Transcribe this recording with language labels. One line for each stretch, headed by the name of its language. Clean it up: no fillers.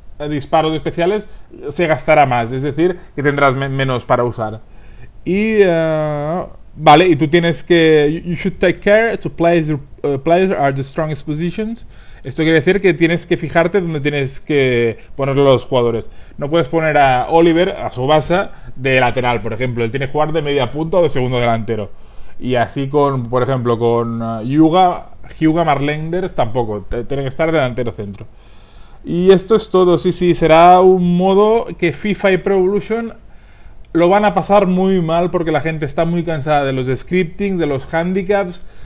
Spanish: Disparos especiales se gastará más, es decir, que tendrás menos para usar. Y vale, y tú tienes que.
English: You should take care to place your players at the strongest positions.
Spanish: Esto quiere decir que tienes que fijarte dónde tienes que poner los jugadores. No puedes poner a Oliver, a Tsubasa, de lateral, por ejemplo. Él tiene que jugar de media punta o de segundo delantero. Y así con, por ejemplo, con Marlenders tampoco. Tiene que estar delantero centro. Y esto es todo, sí, será un modo que FIFA y Pro Evolution lo van a pasar muy mal porque la gente está muy cansada de los scripting, de los handicaps,